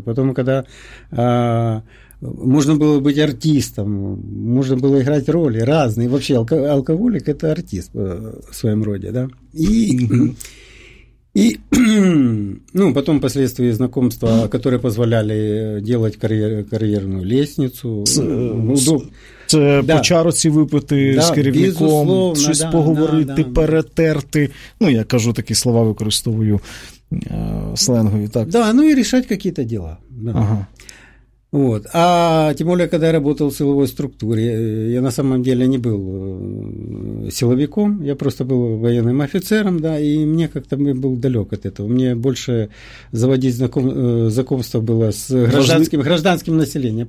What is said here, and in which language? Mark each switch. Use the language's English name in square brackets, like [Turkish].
[Russian] Потом, когда можно было быть артистом, можно было играть роли разные. Вообще, алкоголик – это артист в своем роде, да. И... И, ну, потом последствия знакомства, которые позволяли делать карьерную лестницу. [Ukrainian] Це да. По чароці випити, да, з керівником, щось, да, поговорити, да, перетерти. Ну, я кажу такі слова, використовую сленгові. Так. Да, ну і рішати якісь діла. [Russian] Да. Ага. Вот. А тем более, когда я работал в силовой структуре, я на самом деле не был силовиком, я просто был военным офицером, да, и мне как-то был далек от этого. Мне больше заводить знакомство было с гражданским населением.